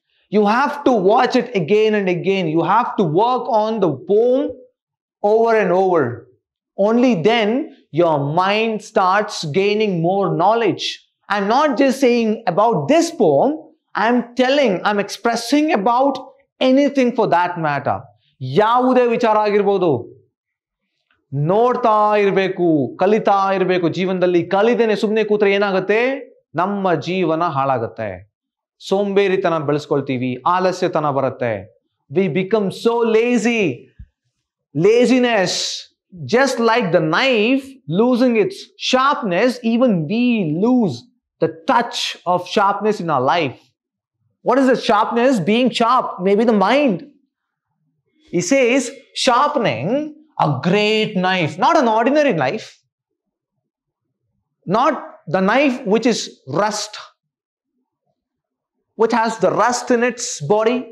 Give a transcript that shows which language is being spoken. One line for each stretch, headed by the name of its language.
English: You have to watch it again and again. You have to work on the poem over and over. Only then your mind starts gaining more knowledge. I'm not just saying about this poem. I'm expressing about anything for that matter.
Kannada: ಯಾವುದೇ ವಿಚಾರ ಆಗಿರ್ಬೋದು, ನೋಡ್ತಾ ಇರಬೇಕು, ಕಲಿತಾ ಇರಬೇಕು. ಜೀವನದಲ್ಲಿ ಕಲಿದೇನೆ ಸುಮ್ಮನೆ ಕೂತ್ರೆ ಏನಾಗುತ್ತೆ? ನಮ್ಮ ಜೀವನ ಹಾಳಾಗುತ್ತೆ. ಸೋಂಬೇರಿತನ ಬೆಳೆಸ್ಕೊಳ್ತೀವಿ, ಆಲಸ್ಯತನ ಬರುತ್ತೆ.
English: We become so lazy. Laziness just like the knife losing its sharpness, even we lose the touch of sharpness in our life. What is the sharpness? Being sharp, maybe the mind. He says, sharpening a great knife, not an ordinary knife, not the knife which is rust, which has the rust in its body.